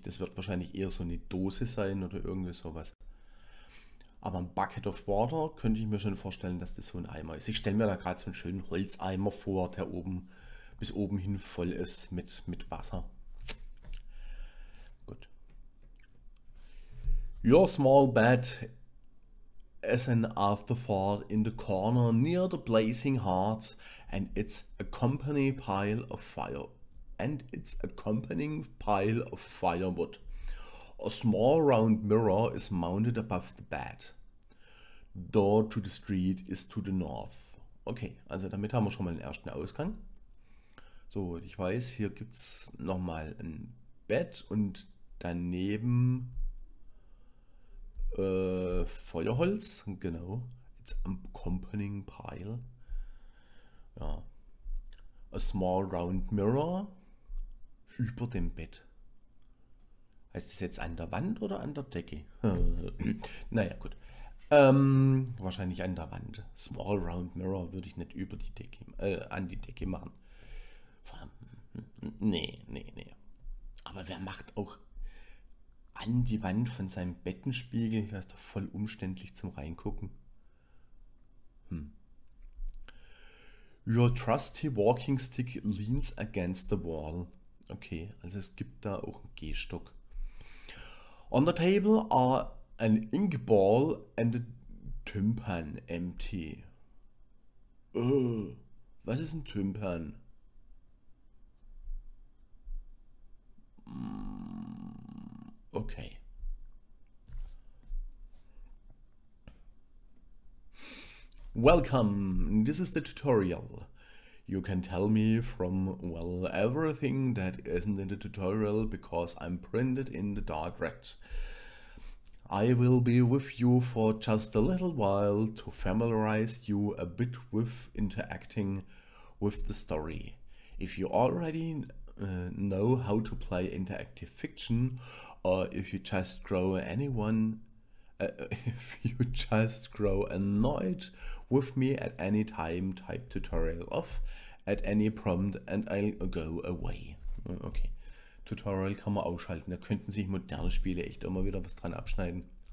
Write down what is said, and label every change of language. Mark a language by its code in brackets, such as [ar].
[de] Das wird wahrscheinlich eher so eine Dose sein oder irgendwie sowas. Aber ein Bucket of Water könnte ich mir schon vorstellen, dass das so ein Eimer ist. Ich stelle mir da gerade so einen schönen Holzeimer vor, der oben bis oben hin voll ist mit Wasser. Gut. [en] Your small bed is an afterthought in the corner near the blazing hearth and its accompanying pile of fire. A small round mirror is mounted above the bed. Door to the street is to the north. [de] Okay, also damit haben wir schon mal den ersten Ausgang. So, ich weiß, hier gibt es nochmal ein Bett und daneben Feuerholz. [en] Genau, it's an accompanying pile. Ja, a small round mirror [de] über dem Bett. Heißt das jetzt an der Wand oder an der Decke? Naja, gut. Wahrscheinlich an der Wand. [en] Small round mirror [de] würde ich nicht über die Decke, an die Decke machen. Nee. Aber wer macht auch an die Wand von seinem Bettenspiegel? Das ist doch voll umständlich zum Reingucken. [en] Your trusty walking stick leans against the wall. [de] Okay, also es gibt da auch einen Gehstock. [en] On the table are an ink ball and a tympan empty. [de] Was ist ein Tympan? Okay. [en] Welcome, this is the tutorial. You can tell me from, well, everything that isn't in the tutorial because I'm printed in the dark red. I will be with you for just a little while to familiarize you a bit with interacting with the story. If you already know how to play interactive fiction, or if you just grow annoyed with me at any time, type tutorial off at any prompt and I'll go away. [de] Okay. Tutorial kann man ausschalten. Da könnten sich moderne Spiele echt immer wieder was dran abschneiden.